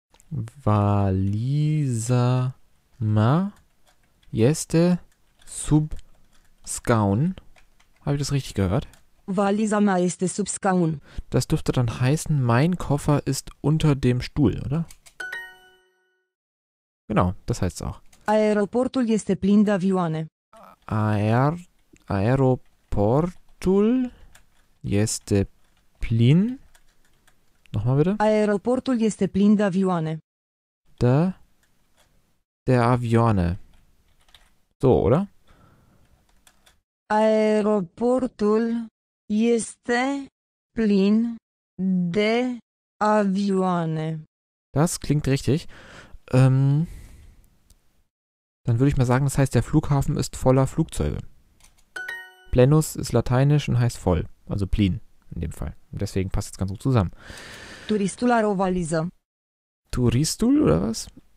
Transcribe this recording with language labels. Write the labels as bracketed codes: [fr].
[ro] Valiza mea este sub scaun. [de] Habe ich das richtig gehört? [ro] Valiza mea este sub scaun. [de] Das dürfte dann heißen, mein Koffer ist unter dem Stuhl, oder? Genau, das heißt es auch. [ro] Aeroportul este plin de avioane. Aeroportul este plin... Nochmal bitte. Aeroportul este plin de avioane. De avioane. So, oder? Aeroportul este plin de avioane. [de] Das klingt richtig. Dann würde ich mal sagen, das heißt, der Flughafen ist voller Flugzeuge. Plenus ist lateinisch und heißt voll. Also plin in dem Fall. Und deswegen passt es ganz gut zusammen. [ro] Turistul are o valiză. [de] Turistul oder was?